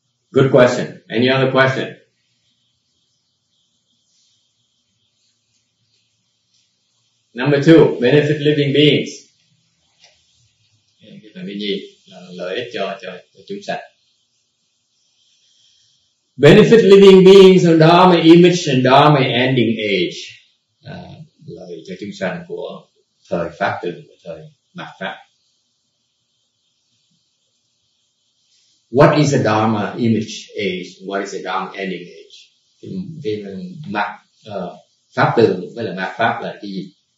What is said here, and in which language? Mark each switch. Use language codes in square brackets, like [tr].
[en] Good question. Any other question? Number two, benefit living beings. [vi] Cái phần thứ nhì là lợi ích cho chúng sanh. [en] Benefit living beings on Dharma image and Dharma ending age. [vi] Lợi cho chúng sanh của thời Pháp Tự, thời mạt Pháp. [en] What is a Dharma image age? What is a Dharma ending age? [vi] Pháp Tự với là mạt Pháp là cái gì?